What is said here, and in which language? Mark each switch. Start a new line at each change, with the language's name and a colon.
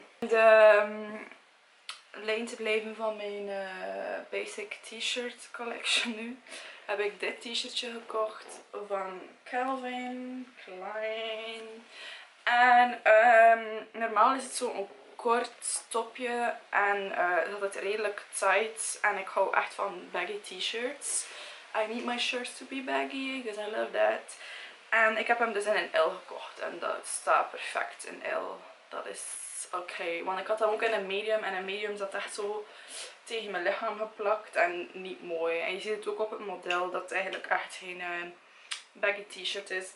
Dutch: De lijn te blijven van mijn basic t-shirt collection nu, heb ik dit t-shirtje gekocht van Calvin Klein. En normaal is het zo'n kort topje en dat het redelijk tight. En ik hou echt van baggy t-shirts.
English: I need my shirts to be baggy because I love that.
Dutch: En ik heb hem dus in een L gekocht en dat staat perfect in L. Dat is oké, okay, want ik had dat ook in een medium en een medium zat echt zo tegen mijn lichaam geplakt en niet mooi. En je ziet het ook op het model dat het eigenlijk echt geen baggy t-shirt is.